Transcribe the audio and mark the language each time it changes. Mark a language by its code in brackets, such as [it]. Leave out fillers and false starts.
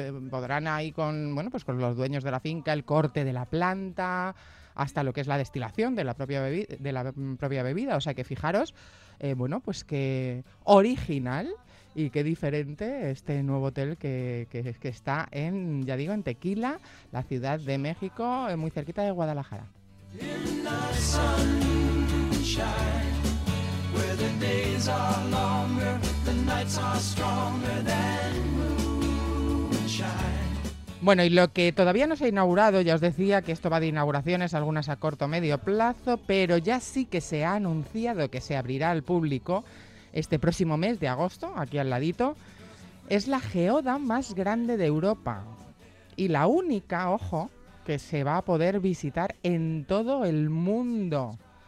[es] Podrán ahí con los dueños de la finca, el corte de la planta, hasta lo que es la destilación de la propia bebida. O sea que fijaros, qué original y qué diferente este nuevo hotel que está en, ya digo, en Tequila, la ciudad de México, muy cerquita de Guadalajara. [en] In the sunshine, where the days are longer, the nights are stronger than moonshine. [es] Bueno, y lo que todavía no se ha inaugurado, ya os decía que esto va de inauguraciones, algunas a corto o medio plazo, pero ya sí que se ha anunciado que se abrirá al público este próximo mes de agosto, aquí al ladito, es la geoda más grande de Europa y la única, ojo, que se va a poder visitar en todo el mundo.